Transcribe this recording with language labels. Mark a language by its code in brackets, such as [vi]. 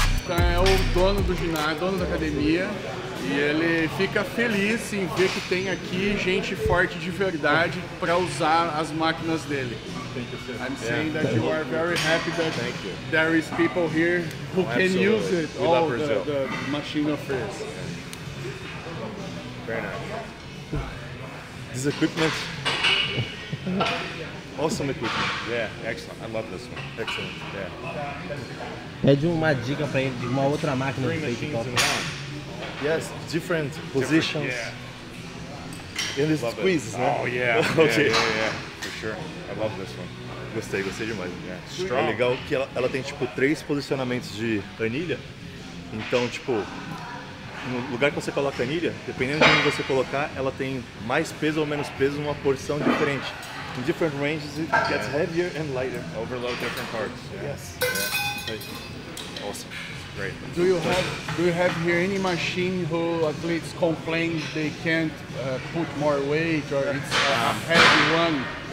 [pt] É o dono do ginásio, dono da academia. E ele fica feliz em ver que tem aqui gente forte de verdade para usar as máquinas dele. [en] Thank you, sir. I'm saying that you are very happy that there is people here who can use it, all the machine of his. Very nice. This equipment, awesome equipment. Yeah, excellent. I love this one. Excellent. Yeah. [pt] Pede uma dica para ele de uma outra máquina de feito top. [en] Yes, different positions. Yeah. And it's squeezes, it. Oh, yeah. Okay. Yeah. For sure. I love this one. [pt] Gostei demais. [en] Yeah. Strong. [pt] É legal que ela tem tipo três posicionamentos de anilha. Então, tipo, no lugar que você coloca a anilha, dependendo de onde você colocar, ela tem mais peso ou menos peso numa porção diferente. [en] In different ranges, it gets heavier and lighter. Overload different parts. Yeah. Yes. Yeah. Awesome. Great. Do you have here any machine who athletes complain they can't put more weight or it's a heavy one?